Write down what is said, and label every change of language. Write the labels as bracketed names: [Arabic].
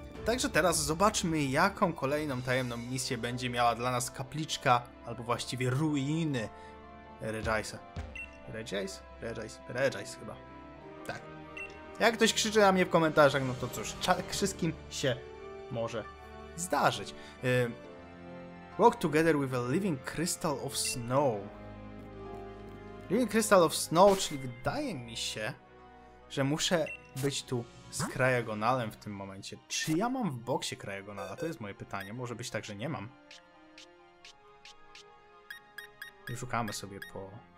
[Polish] Także teraz zobaczmy, jaką kolejną tajemną misję będzie miała dla nas kapliczka, albo właściwie ruiny Regice'a. Regice? Regice? Regice chyba. Tak. Jak ktoś krzyczy na mnie w komentarzach, no to cóż, wszystkim się może zdarzyć. [English] Walk together with a living crystal of snow. Living crystal of snow, [Polish] czyli wydaje mi się, że muszę być tu z Cryogonalem w tym momencie. Czy ja mam w boksie Cryogonala? To jest moje pytanie. Może być tak, że nie mam. I szukamy sobie po...